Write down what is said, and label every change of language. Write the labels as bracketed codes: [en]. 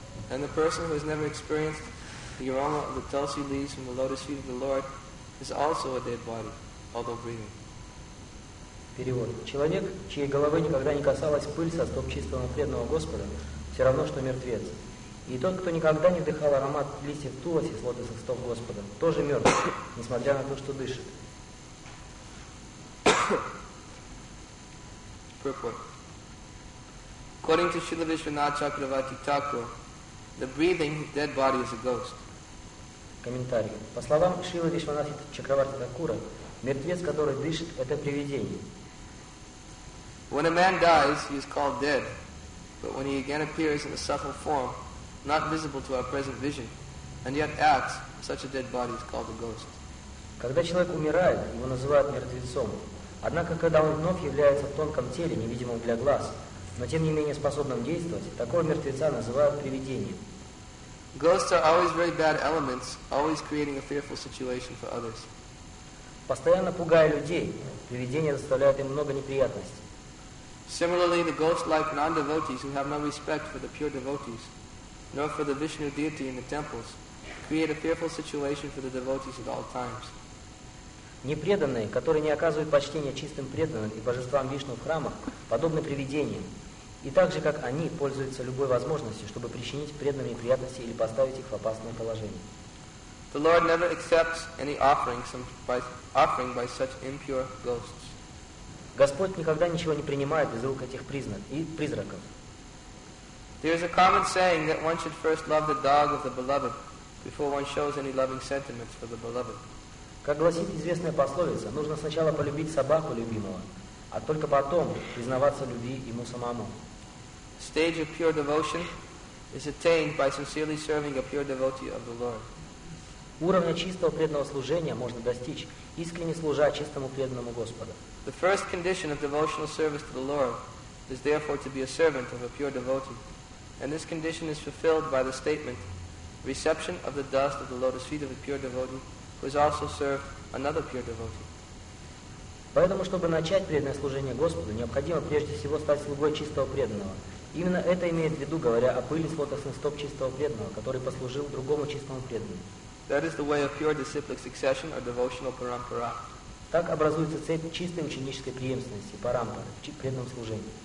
[en] And the person who has never experienced the aroma of the tulsi leaves from the lotus feet of the Lord is also a dead body, although breathing. [ru] Перевод. Человек, чьей головы никогда не касалась пыль со стоп чистого преданного Господа, все равно, что мертвец. И тот, кто никогда не вдыхал аромат листьев тулоси с лотосов стоп Господа, тоже мертв, несмотря на то, что дышит. [en] According to Śrīla Viśvanātha Cakravarti Thakura, the breathing dead body is a ghost. [ru] Комментарий. По словам Śrīla Viśvanātha Cakravarti Thakura, мертвец, который дышит, это привидение. [en] When a man dies, he is called dead. But when he again appears in a subtle form, not visible to our present vision, and yet acts, such a dead body is called a ghost. [ru] Когда человек умирает, его называют мертвецом. Однако, когда он вновь является в тонком теле, невидимом для глаз, но тем не менее способным действовать, такого мертвеца называют привидением. [en] Ghosts are always very bad elements, always creating a fearful situation for others. [ru] Постоянно пугая людей, привидения доставляют им много неприятностей. [en] Similarly, the ghost-like non-devotees who have no respect for the pure devotees, nor for the Vishnu deity in the temples, create a fearful situation for the devotees at all times. [ru] Непреданные, которые не оказывают почтения чистым преданным и божествам Вишну в храмах, подобны привидениям, и так же, как они, пользуются любой возможностью, чтобы причинить преданным неприятности или поставить их в опасное положение. [en] The Lord never accepts any offering by such impure ghosts. [ru] Господь никогда ничего не принимает из рук этих призраков. [en] There is a common saying that one should first love the dog of the beloved before one shows any loving sentiments for the beloved. [ru] Как гласит известная пословица, нужно сначала полюбить собаку любимого, а только потом признаваться в любви ему самому. [en] Stage of pure devotion is attained by sincerely serving a pure devotee of the Lord. [ru] Уровня чистого преданного служения можно достичь, искренне служа чистому преданному Господу. [en] The first condition of devotional service to the Lord is therefore to be a servant of a pure devotee. And this condition is fulfilled by the statement, reception of the dust of the lotus feet of a pure devotee, who has also served another pure devotee. [ru] Поэтому, чтобы начать преданное служение Господу, необходимо прежде всего стать слугой чистого преданного. Именно это имеет в виду, говоря о пыли с лотосных стоп чистого преданного, который послужил другому чистому преданному. [en] That is the way of pure disciplic succession or devotional parampara. [ru] Так образуется цепь чистой ученической преемственности, парампара, в преданном служении.